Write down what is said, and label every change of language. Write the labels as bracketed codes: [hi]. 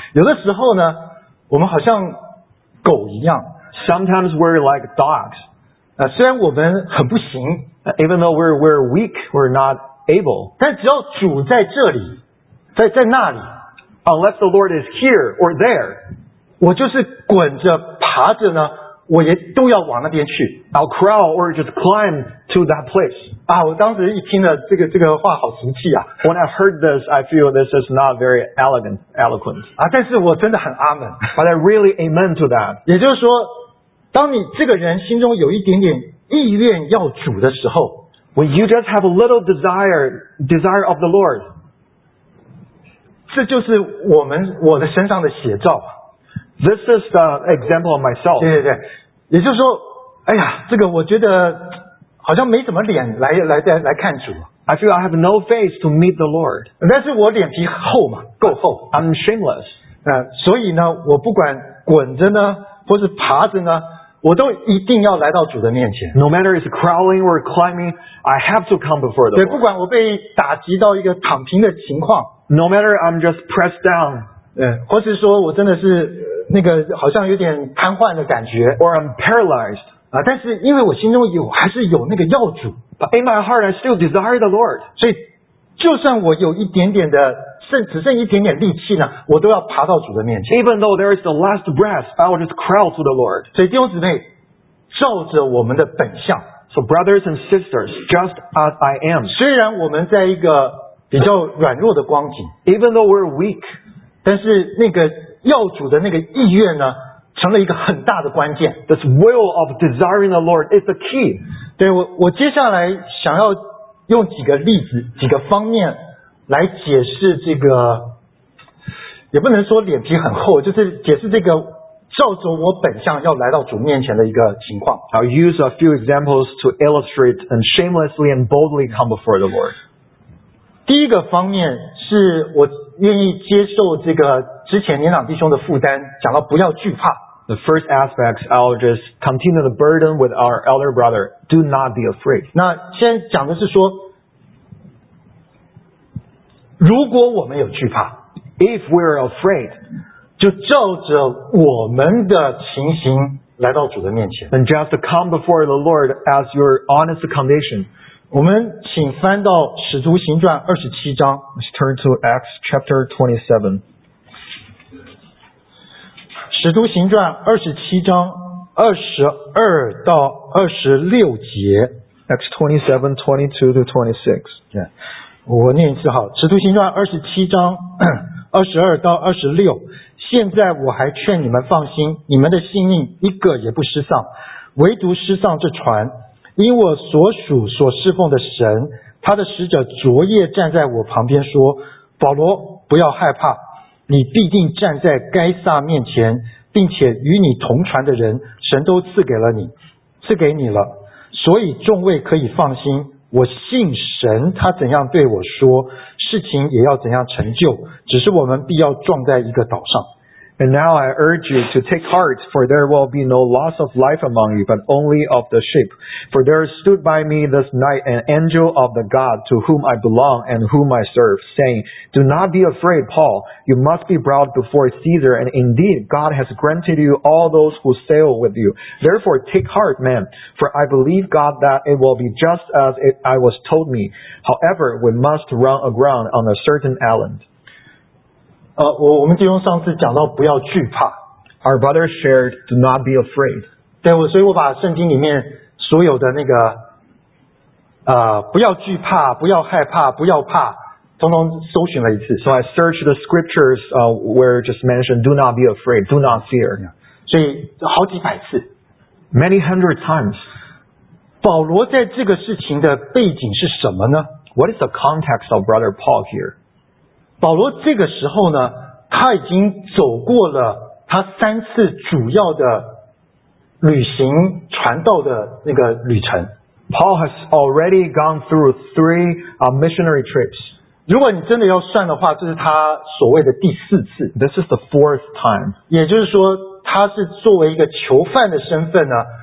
[zh] 有的时候呢，我们好像狗一样。 [en] Sometimes we're like dogs. [zh] 虽然我们很不行。 [en] Even though we're weak, we're not able. [zh] 但只要主在这里，在那里。 [en] Unless the Lord is here or there, [zh] 我就是滚着爬着呢，我也都要往那边去。 [en] I'll crawl or just climb to that place. [zh] 啊，我当时一听了这个话，好俗气啊。 [en] When I heard this, I feel this is not very eloquent. [zh] 啊，但是我真的很阿们。 [en] But I really amen to that. [zh] 也就是说，当你这个人心中有一点点意愿要主的时候 [en] ，When you just have a little desire of the Lord. [zh] 这就是我的身上的写照。 [en] This is the example of myself. [zh] 对对对，也就是说，哎呀，这个我觉得好像没什么脸来看主。 [en] I feel I have no face to meet the Lord. [zh] 但是我脸皮厚嘛，够厚。 [en] I'm shameless. [zh] 所以呢，我不管滚着呢，或是爬着呢，我都一定要来到主的面前。 [en] No matter it's crawling or climbing, I have to come before the Lord. [zh] 对，不管我被打击到一个躺平的情况。 [en] No matter I'm just pressed down, [zh] 或是说我真的是那个好像有点瘫痪的感觉 [en] ，or I'm paralyzed, [zh] 但是因为我心中有还是有那个要主 [en] ，but in my heart I still desire the Lord. [zh] 所以就算我有一点点的只剩一点点力气呢，我都要爬到主的面前。 [en] Even though there is the last breath, I will just crawl to the Lord. [zh] 所以弟兄姊妹，照着我们的本相 [en] ，so brothers and sisters, just as I am. [zh] 虽然我们在一个比较软弱的光景 [en] ，Even though we're weak， [zh] 但是那个要主的那个意愿呢，成了一个很大的关键。 [en] This will of desiring the Lord is the key。 [zh] 对我接下来想要用几个例子、几个方面来解释这个，也不能说脸皮很厚，就是解释这个照着我本相要来到主面前的一个情况。 [en] I'll use a few examples to illustrate and shamelessly and boldly come before the Lord。 [zh] 第一个方面是我愿意接受这个之前年长弟兄的负担，讲到不要惧怕。 [en] The first aspect, I'll just continue the burden with our elder brother. Do not be afraid. [zh] 那先讲的是说，如果我们有惧怕 [en] ，if we're afraid, [zh] 就照着我们的情形来到主的面前。 [en] And just come before the Lord as your honest condition. [zh] 我们请翻到《使徒行传》二十七章。 [en] Let's turn to Acts chapter 27. [zh] 使徒行传二十七章二十二到二十六节。 [en] Acts 27:22-26. [zh] Yeah. 我念一次好，《使徒行传》二十七章二十二到二十六。现在我还劝你们放心，你们的性命一个也不失丧，唯独失丧这船。因我所属所侍奉的神，他的使者昨夜站在我旁边说，保罗不要害怕，你必定站在该撒面前，并且与你同船的人神都赐给你了，所以众位可以放心，我信神他怎样对我说，事情也要怎样成就，只是我们必要撞在一个岛上。 [en] And now I urge you to take heart, for there will be no loss of life among you, but only of the ship. For there stood by me this night an angel of the God to whom I belong and whom I serve, saying, Do not be afraid, Paul. You must be brought before Caesar, and indeed God has granted you all those who sail with you. Therefore take heart, man, for I believe God that it will be just as I was told me. However, we must run aground on a certain island. [zh] 我们弟兄上次讲到不要惧怕。 [en] Our brother shared, do not be afraid. [zh] 对，所以我把圣经里面所有的那个不要惧怕，不要害怕，不要怕，统统搜寻了一次。 [en] So I searched the scriptures, where just mentioned, do not be afraid, do not fear. [zh] 所以好几百次。 [en] Many hundred times. [zh] 保罗在这个事情的背景是什么呢？ [en] What is the context of brother Paul here? [zh] 保罗这个时候呢，他已经走过了他三次主要的旅行传道的那个旅程。 [en] Paul has already gone through three missionary trips. [zh] 如果你真的要算的话，这是他所谓的第四次。 [en] This is the fourth time. [zh] 也就是说，他是作为一个囚犯的身份呢，